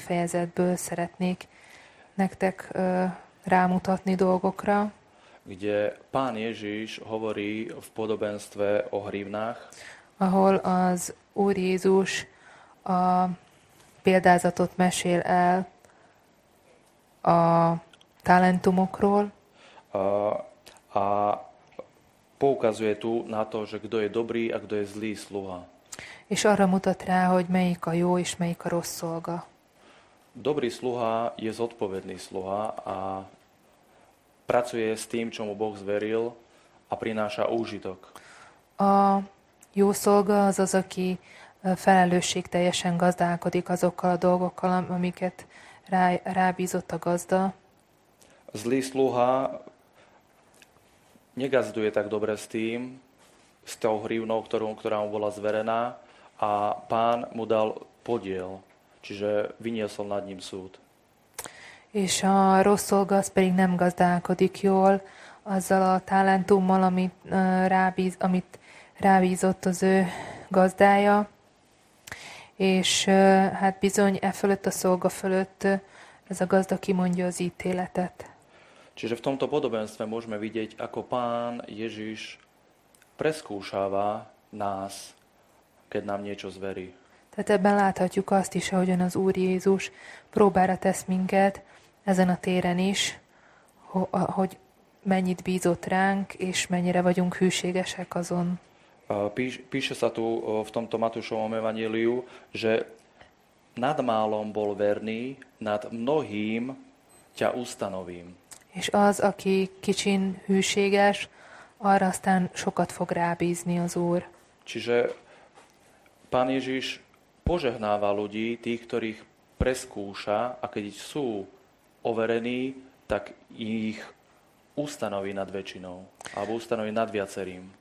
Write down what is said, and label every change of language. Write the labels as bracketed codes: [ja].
[hu] fejezetből szeretnék nektek rámutatni dolgokra, [sk] kde pán Ježiš hovorí v podobenstve o hrivnách, [hu] ahol az Úr Jézus a példázatot mesél el a talentumokról. [sk] A poukazuje tu na to, že kto je dobrý a kto je zlý sluha. [hu] És arra mutat rá, hogy melyik a jó és melyik a rossz szolga. [sk] Dobrý sluha je zodpovedný sluha a pracuje s tým, čo mu Boh zveril a prináša úžitok. [hu] A jó szolga az az, aki felelősségteljesen gazdálkodik azokkal a dolgokkal, amiket rábízott a gazda. [sk] Zlý sluha negazduje tak dobre s tým, s tou hrivnou, ktorá mu bola zverená, a pán mu dal podiel, čiže vyniesol nad ním súd. [hu] És a rossz szolga az pedig nem gazdálkodik jól azzal a talentummal, amit rábízott az ő gazdája. És hát bizony e fölött, a szolga fölött ez a gazda kimondja az ítéletet. [sk] Čiže v tomto podobenstve môžeme vidieť, ako pán Ježiš preskúšava nás, keď nám niečo zverí. [hu] Tehát ebben láthatjuk azt is, ahogyan az Úr Jézus próbára tesz minket ezen a téren is, hogy mennyit bízott ránk, és mennyire vagyunk hűségesek azon. [sk] Píše sa tu v tomto Matúšovom evanjeliu, že nad málom bol verný, nad mnohým ťa ustanovím. [hu] És az, aki kicsin hűséges, arra aztán sokat fog rábízni az Úr. [sk] Čiže pán Ježiš požehnáva ľudí, tých, ktorých preskúša, a keď sú overení, tak ich ustanoví nad väčšinou, alebo ustanoví nad viacerým.